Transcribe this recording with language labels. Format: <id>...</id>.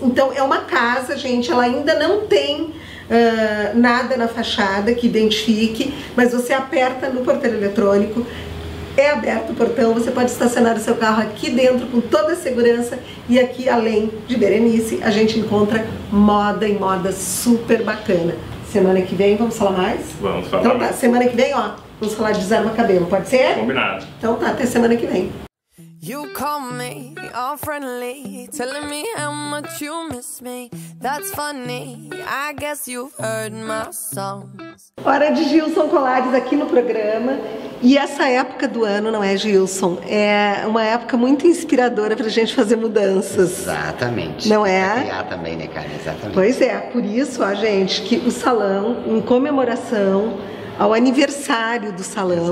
<pt>Então, é uma casa, gente, ela ainda não tem nada na fachada que identifique, mas você aperta no porteiro eletrônico, é aberto o portão, você pode estacionar o seu carro aqui dentro com toda a segurança. E aqui, além de Berenice, a gente encontra moda e moda super bacana. Semana que vem, vamos falar mais? Vamos falar. Então tá, semana que vem, ó, vamos falar de Desarma Cabelo, pode ser? Combinado. Então tá, até semana que vem.</pt> <en>You call me all friendly, telling me how much you miss me. That's funny, I guess you've heard my songs.</en> <pt>Hora de Gilson Colares aqui no programa. E essa época do ano, não é, Gilson? É uma época muito inspiradora pra gente fazer mudanças. Exatamente. Não é? Pra criar também, né, cara? Exatamente. Pois é, por isso, ó, gente, que o salão, em comemoração ao aniversário do salão.</pt>